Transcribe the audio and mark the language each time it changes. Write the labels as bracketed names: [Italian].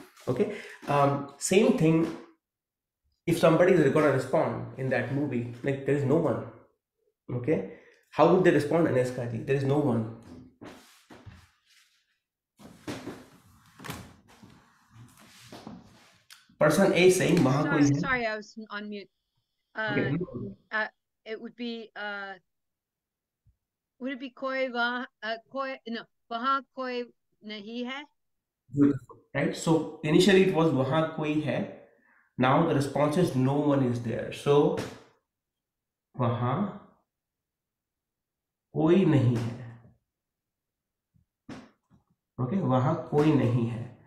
[English] Okay, same thing if somebody is going to respond in that movie, like there is no one. Okay, how would they respond, Aneska ji? There is no one. Person A saying, [Hindi] waha koi hai. [English] Sorry, I was on mute. It would be, [Hindi] कोई वहा, वहा कोई नहीं है? [English] Beautiful, right? So initially it was [Hindi] waha koi hai. [English] Now the response is no one is there. [Hindi] So, waha koi nahi hai. Okay, waha koi nahi hai.